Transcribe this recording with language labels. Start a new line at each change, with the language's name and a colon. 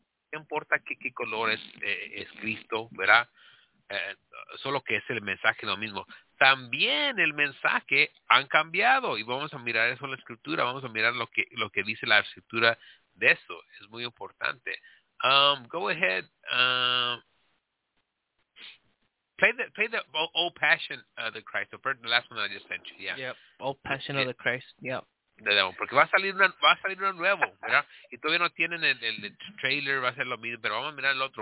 Spanish: ¿Qué importa qué color es Cristo? ¿Verdad? Solo que es el mensaje lo mismo. También el mensaje han cambiado y vamos a mirar eso en la escritura, vamos a mirar lo que dice la escritura de eso, es muy importante.
English: Go ahead, play the Old Passion of the Christ, the last one that I just sent you, yeah. Yep. Old Passion of the Christ, yeah.
Spanish: Porque va a salir uno nuevo, ¿verdad? Y todavía no tienen el trailer, va a ser lo mismo, pero vamos a mirar el otro.